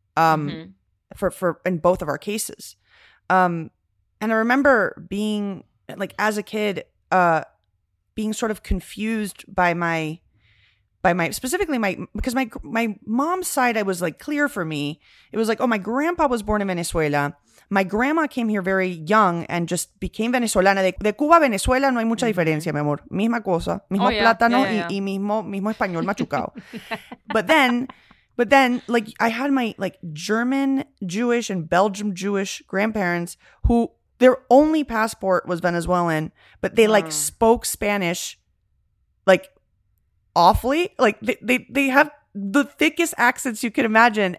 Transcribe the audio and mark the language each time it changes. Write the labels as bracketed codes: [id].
[en] For in both of our cases. And I remember being like as a kid, being sort of confused because my mom's side, I was like clear for me. It was like, oh, my grandpa was born in Venezuela. My grandma came here very young and just became Venezolana. [es] De Cuba a Venezuela no hay mucha diferencia, mi amor. Misma cosa, mismo plátano y mismo español machucado. [en] But then, like, I had my, like, German Jewish and Belgium Jewish grandparents who their only passport was Venezuelan, but they, like, spoke Spanish, like, awfully. Like, they have the thickest accents you could imagine.